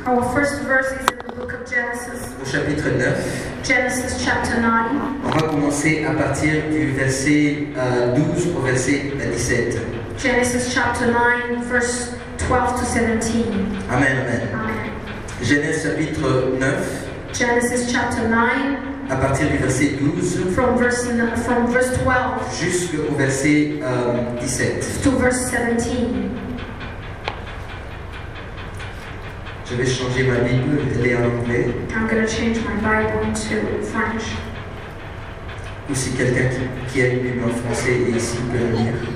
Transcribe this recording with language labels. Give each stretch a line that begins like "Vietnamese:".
English: Our first verse is in the book of Genesis.
French: Au chapitre 9.
English: Genesis chapter 9.
French: On va commencer à partir du verset 12 au verset 17.
English: Genesis chapter 9, verse 12 to 17. Amen, amen. Amen.
French: Genèse chapitre 9.
English: Genesis chapter 9.
French: À partir du verset 12.
English: From verse 12.
French: Jusqu'au verset 17.
English: To verse 17.
French: Je vais changer ma Bible, elle est en anglais.
English: I'm going to change my Bible to French.
French: Ou si quelqu'un qui a une Bible en français est ici, peut la lire.